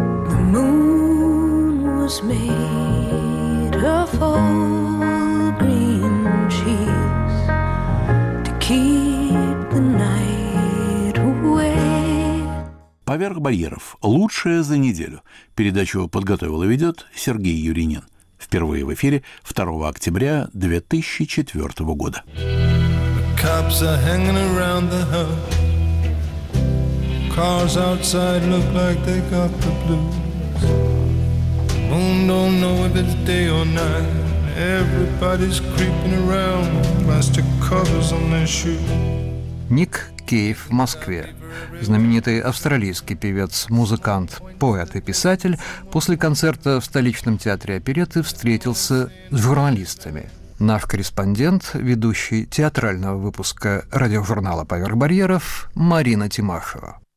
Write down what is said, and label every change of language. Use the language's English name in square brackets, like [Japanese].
[English] The moon was made of all green cheese to keep the night away. [Russian] «Поверх барьеров. Лучшее за неделю». Передачу подготовил и ведет Сергей Юринин. Впервые в эфире 2 октября 2004 года. [English] The cops are hanging around the house. Cars outside look like they got the blues. Moon don't know if it's day or night. Everybody's creeping around with plastic covers on their shoes. [Russian] Ник Кейв в Москве. Знаменитый австралийский певец, музыкант, поэт и писатель после концерта в столичном театре оперетты встретился с журналистами. Наш корреспондент, ведущий театрального выпуска радиожурнала «Поверх барьеров» Марина Тимашева.